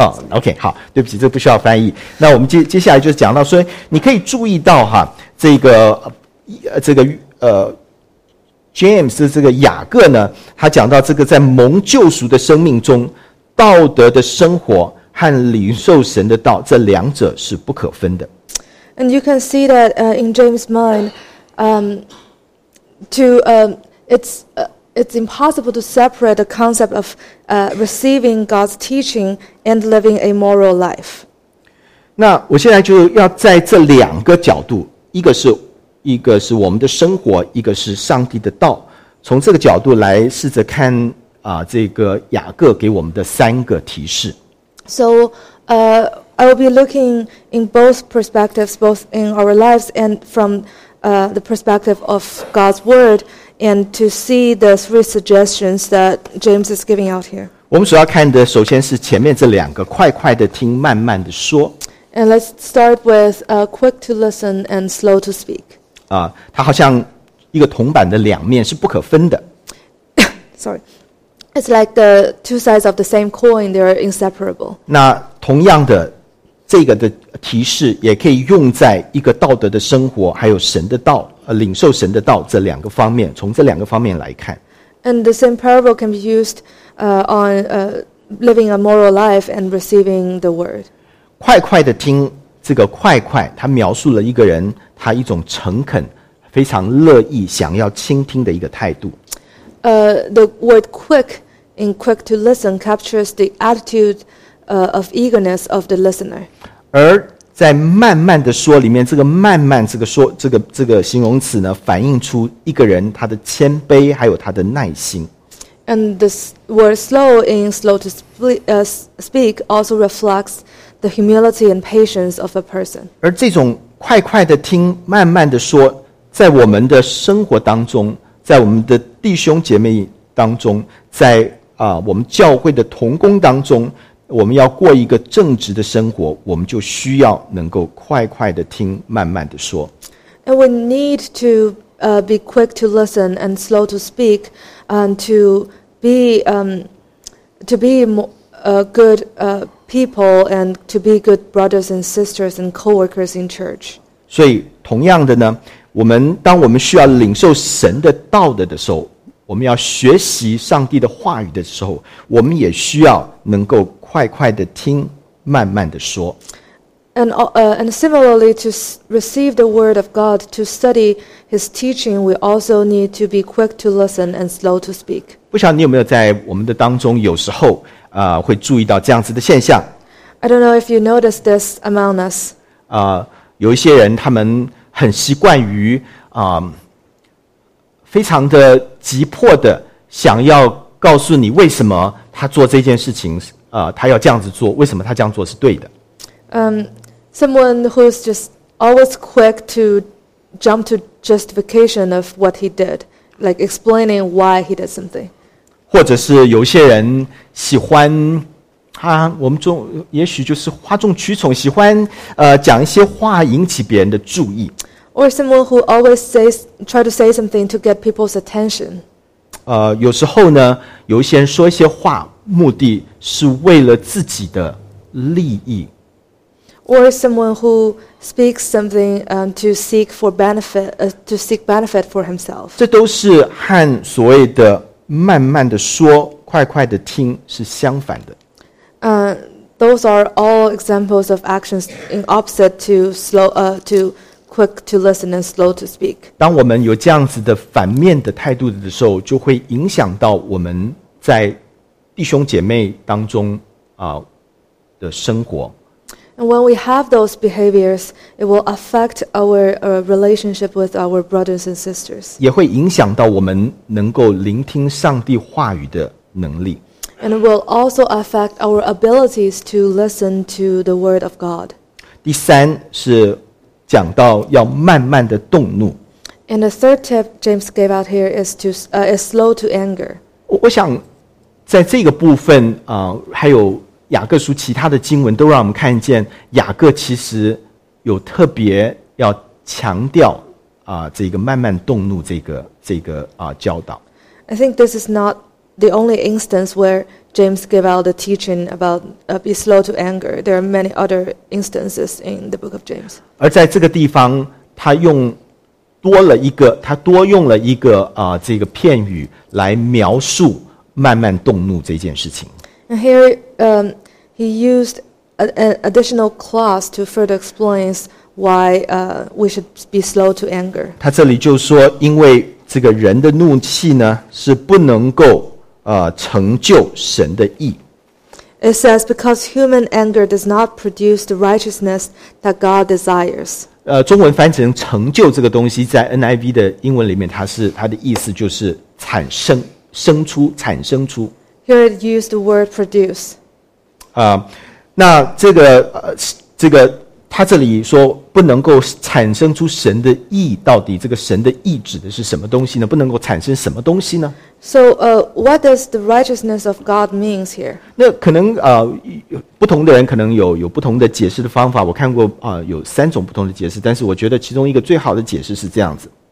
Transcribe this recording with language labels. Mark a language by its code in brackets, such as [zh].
[zh] OK, 好，对不起，这不需要翻译。那我们接下来就是讲到说，你可以注意到哈，这个James 的这个雅各呢，他讲到这个在蒙救赎的生命中，道德的生活和领受神的道，这两者是不可分的。 [en] And you can see that in James' mind, it's impossible to separate the concept of receiving God's teaching and living a moral life. [zh] 那我现在就要在这两个角度，一个是我们的生活，一个是上帝的道，从这个角度来试着看这个雅各给我们的三个提示。 [en] So, I will be looking in both perspectives, both in our lives and from the perspective of God's word, and to see the three suggestions that James is giving out here. [zh] 我们所要看的首先是前面这两个快快的听慢慢的说。 [en] And let's start with quick to listen and slow to speak. [zh] 它好像一个铜板的两面是不可分的。 [en] Sorry. It's like the two sides of the same coin, they are inseparable. [zh] 那同样的这个的提示也可以用在一个道德的生活还有神的道领受神的道这两个方面从这两个方面来看。 [en] And the same parable can be used on living a moral life and receiving the word. [zh] 快快的听这个快快他描述了一个人他一种诚恳非常乐意想要倾听的一个态度。 [en] The word quick in quick to listen captures the attitude of eagerness of the listener. [zh] 而在慢慢的说里面这个慢慢这个说这个形容词呢反映出一个人他的谦卑还有他的耐心。 [en] And the word slow in slow to speak also reflects the humility and patience of a person. [zh] 而这种快快的听慢慢的说在我们的生活当中在我们的弟兄姐妹当中在我们教会的同工当中我们要过一个正直的生活我们就需要能够快快的听慢慢的说。 [en] And we need to be quick to listen and slow to speak and to be good people and to be good brothers and sisters and co-workers in church. [zh] 所以同样的呢我们当我们需要领受神的道德的时候我们要学习上帝的话语的时候我们也需要能够快快的听慢慢的说。 [en] And similarly, to receive the word of God, to study his teaching, we also need to be quick to listen and slow to speak. [zh] 不晓得你有没有在我们的当中有时候会注意到这样子的现象。 [en] I don't know if you notice this among us. [zh] 有一些人他们很习惯于非常的急迫的想要告诉你为什么他做这件事情他要这样子做为什么他这样做是对的。 [en] Someone who's just always quick to jump to justification of what he did, like explaining why he did something. [zh] 或者是有些人喜欢我们中也许就是哗众取宠喜欢讲一些话引起别人的注意。 [en] Or someone who always try to say something to get people's attention. [zh] 有时候呢有一些人说一些话目的是为了自己的利益。 [en] Or someone who speaks something to seek benefit for himself. [zh] 这都是和所谓的慢慢的说快快的听是相反的。 [en] Those are all examples of actions in opposite to quick to listen and slow to speak. [zh] 当我们有这样子的反面的态度的时候就会影响到我们在弟兄姐妹当中的生活。 [en] And when we have those behaviors, it will affect our relationship with our brothers and sisters. [zh] 也会影响到我们能够聆听上帝话语的能力。 [en] And it will also affect our abilities to listen to the word of God. [zh] 第三是讲到要慢慢的动怒。 [en] And the third tip James gave out here is slow to anger. [zh] 我想在这个部分还有雅各书其他的经文都让我们看见雅各其实有特别要强调这个慢慢动怒这个教导。 [en] I think this is not the only instance where James gave out the teaching about be slow to anger. There are many other instances in the book of James. [zh] 而在这个地方他多用了一个这个片语来描述慢慢动怒这件事情。 [en] And here, he used an additional clause to further explain why we should be slow to anger. [zh] 他这里就说，因为这个人的怒气呢，是不能够成就神的义。 [en] It says because human anger does not produce the righteousness that God desires. [zh] 中文翻译成成就这个东西，在 NIV 的英文里面，它的意思就是产生。产生出 [en] Here it used the word produce [zh] 那这个他这里说不能够产生出神的义，到底这个神的义指的是什么东西呢？不能够产生什么东西呢？ [en] So, what does the righteousness of God means here? [zh] 那可能不同的人可能有不同的解释的方法。我看过有三种不同的解释，但是我觉得其中一个最好的解释是这样子。